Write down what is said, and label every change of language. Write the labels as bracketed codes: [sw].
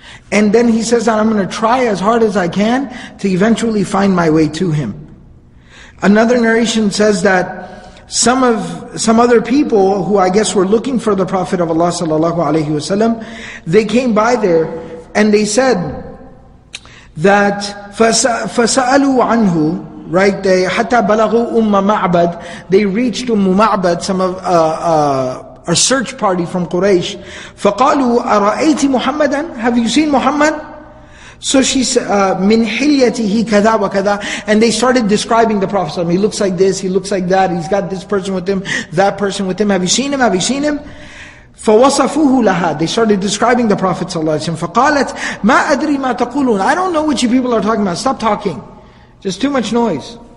[en] And then he says that I'm going to try as hard as I can to eventually find my way to him. Another narration says that some other people who I guess were looking for the Prophet of Allah sallallahu alaihi wasallam, they came by there and they said that [ar] فَسَأَلُوا عَنْهُ, [en] right? They [ar] حَتَّى بَلَغُوا أُمَّ مَعْبَدْ. [en] They reached Umm Ma'bad, some of a search party from Quraysh. [ar] فَقَالُوا أَرَأَيْتِ مُحَمَّدًا. [en] Have you seen Muhammad? So she said, [ar] مِنْ حِلْيَتِهِ كَذَا وَكَذَا. [en] And they started describing the Prophet. He looks like this, he looks like that, he's got this person with him, that person with him. Have you seen him? Have you seen him? [ar] فَوَصَفُوهُ لَهَا. [en] They started describing the Prophet ﷺ. [ar] فَقَالَتْ مَا أَدْرِي مَا تَقُولُونَ. [en] I don't know what you people are talking about. Stop talking. Just too much noise.